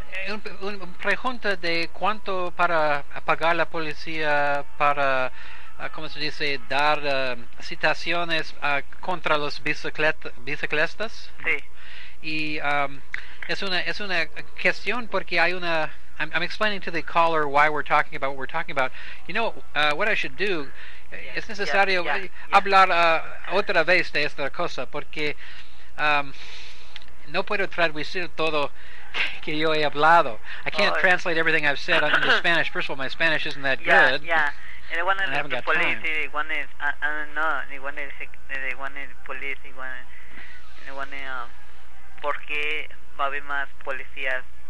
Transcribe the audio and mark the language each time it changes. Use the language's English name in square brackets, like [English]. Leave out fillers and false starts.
[Spanish] un pregunta de cuánto para pagar la policía para, ¿cómo se dice?, dar citaciones contra los biciclistas. Sí. Y es una cuestión porque hay una... [English] I'm explaining to the caller why we're talking about what we're talking about. You know, what I should do... [Spanish] Es necesario hablar otra vez de esta cosa porque no puedo traducir todo que yo he hablado. [English] I can't translate everything I've said into Spanish. First of all, my Spanish isn't that good. Yeah, yeah. And the one is the police, the one is, I don't know, [Spanish] ¿por qué va a haber más policías?